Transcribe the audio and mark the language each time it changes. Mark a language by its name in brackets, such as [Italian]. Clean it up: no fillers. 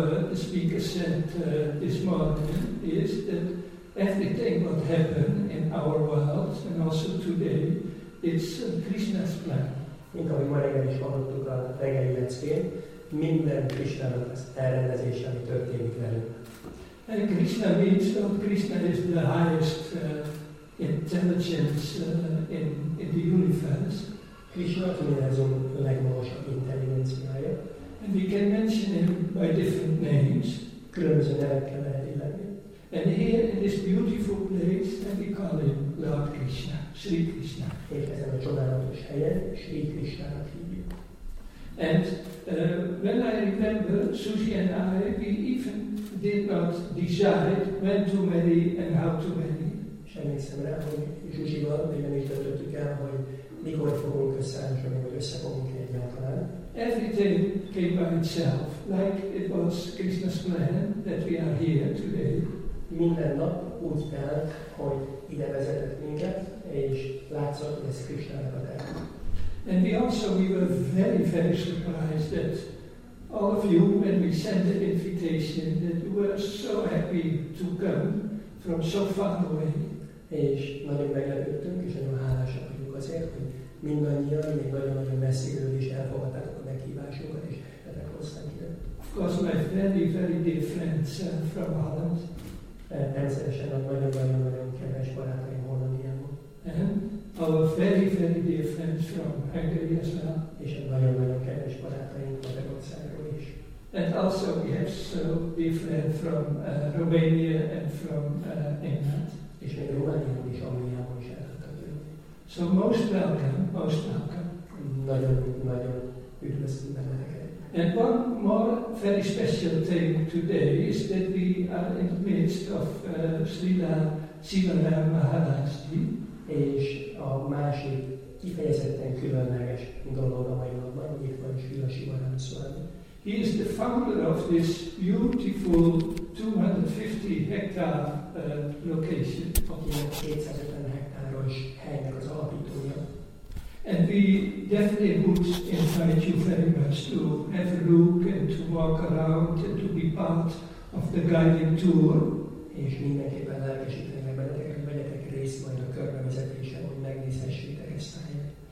[English] This morning is that everything what happened in our world and also today, it's Krishna's plan. [Hungarian] Mint ahogy ma reggel is hallottuk a reggeli leckén, minden Krishna-nak az elrendezése, ami történik velünk. [English] And Krishna means that Krishna is the highest intelligence in the universe. [Hungarian] Krishna az univerzum legmagasabb intelligenciája. [English] And we can mention him by different names. [Hungarian] Különböző nevekkel lehet illetni. [English] And here in this beautiful place that we call him Lord Krishna, Sri Krishna. [Hungarian] És ezen a csodálatos helyen Sri Krishna-nak hívjuk. [English] And when I remember, Susie and I, we even did not decide when to marry and how to marry. [Hungarian] És emlékszem rá, hogy Zsuzsival még nem is döntöttük el, hogy mikor fogunk összeállítani, vagy összefogunk egyáltalán. [English] Everything came by itself, like it was Krishna's plan that we are here today. [Hungarian] Minden nap úgy telt, hogy ide vezetett minket, és látszott, hogy ez Krishna-nak a terve. [English] And we also, we were very, very surprised that all of you, when we sent the invitation, that you were so happy to come from so far away. [Hungarian] És nagyon meglepődtünk, és nagyon hálásak vagyunk azért, hogy mindannyian, még nagyon-nagyon messziről is elfogadtátok a meghívásunkat, és [English] very, very dear friends from Holland. [Hungarian] Természetesen a nagyon-nagyon kedves barátaim Hollandiában. [English] Our very, very dear friends from Hungary as well. [Hungarian] És a nagyon-nagyon kedves barátaim Magyarországról is. [English] And also we have so dear friends from Romania and from England. [Hungarian] És még Romániában is, Romániában is elhattak. [English] So most welcome, most welcome. [Hungarian] Nagyon-nagyon üdvözlünk benneteket. [English] And one more very special thing today is that we are in the midst of Srila Sivaram Maharaj-ji. [Hungarian] És a másik kifejezetten különleges dolog a mai napban, itt van Srila Sivaram Swami. [English] He is the founder of this beautiful 250-hectare location. [Hungarian] Akinek 250 hektáros helynek az alapítója. [English] And we definitely would invite you very much to have a look and to walk around and to be part of the guided tour. [Hungarian] És mindenképpen lelkesítenek benneteket, hogy vegyetek részt majd a körbevezetésen, hogy megnézhessétek ezt a helyet.